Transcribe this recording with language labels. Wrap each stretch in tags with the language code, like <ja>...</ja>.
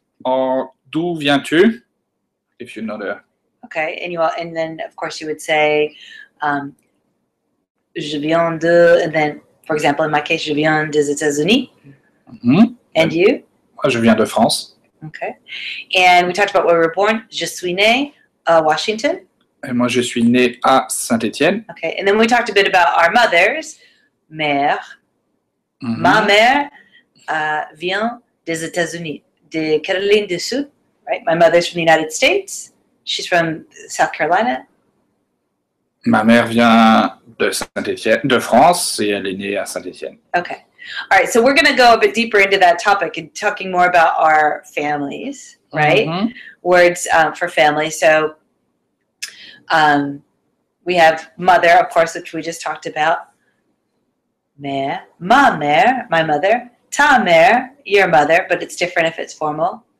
<fr>Or d'où viens-tu?</fr> <en>If you know there. Okay, and then of course you would say,</en> <fr>je viens de,</fr> <en>and then, for example, in my case,</en> <fr>je viens des États-Unis. Mm-hmm.</fr> <en>And you?</en> <fr>Moi, je viens de France.</fr> <en>Okay, and we talked about where we were born.</en> <fr>Je suis né à Washington. Et moi, je suis né à Saint-Étienne.</fr> <en>Okay, and then we talked a bit about our mothers.</en> <fr>Mère. Mm-hmm. Ma mère vient des États-Unis, de Caroline du Sud.</fr> <en>Right, my mother's from the United States. She's from South Carolina.</en> <fr>Ma mère vient de Saint-Étienne, de France, et elle est née à Saint-Étienne.</fr> <en>Okay. All right, so we're going to go a bit deeper into that topic and talking more about our families, right? Mm-hmm. Words for family. So we have mother, of course, which we just talked about.</en> <fr>Mère, ma mère,</fr> <en>my mother.</en> <fr>Ta mère,</fr> <en>your mother, but it's different if it's formal.</en>